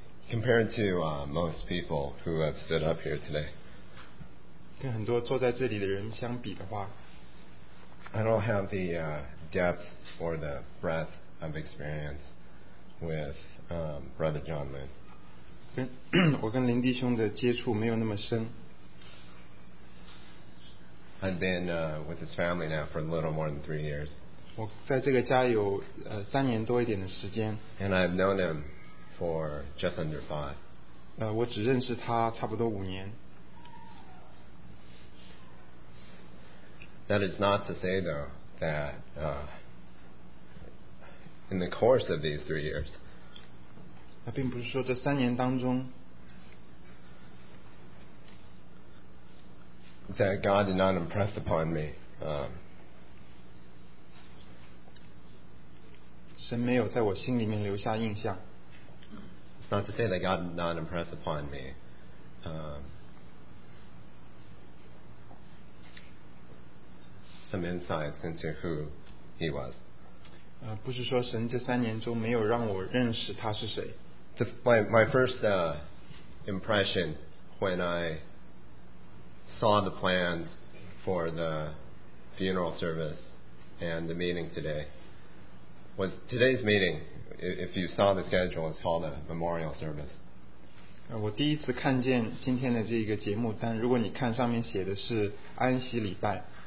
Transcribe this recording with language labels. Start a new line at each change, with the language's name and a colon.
English: Compared to most people who have stood up here today,
Chinese: 跟很多坐在这里的人相比的话,
English: I don't have the depth or the breadth of experience with Brother John Lin.
Chinese: 我跟林弟兄的接触没有那么深。
English: I've been with his family now for a little more than 3 years.
Chinese: 我在这个家有三年多一点的时间。
English: And I've known him. For just under 5.
Chinese: 我只认识他差不多五年。
English: That is not to say, though, that in the course of these 3 years,
Chinese: 那并不是说这三年当中
English: that God did not impress upon me.
Chinese: 神没有在我心里面留下印象。
English: Not to say that God did not impress upon me. Some insights into who he was.
Chinese: 不是说神这三年中没有让我认识他是谁。
English: My first impression when I saw the plans for the funeral service and the meeting today was today's meeting. If you saw the schedule, it's called a memorial service.
Chinese: 我第一次看见今天的这个节目单，如果你看上面写的是安息礼拜。